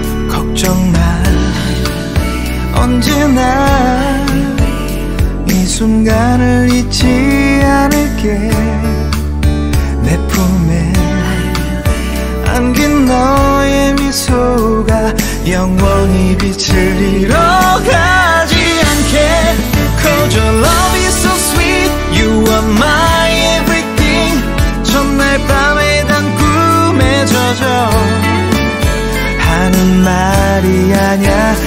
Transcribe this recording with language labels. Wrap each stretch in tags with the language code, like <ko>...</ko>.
<ko>걱정 마, 언제나 이 순간을 잊지 않을게. 내 품에 안긴 너의 미소가 영원히 빛을 잃어가지 않게.</ko> <en>'Cause your love is so sweet, you are my everything.</en> <ko>첫날 밤에 단 꿈에 젖어 하는 말이 아냐.</ko>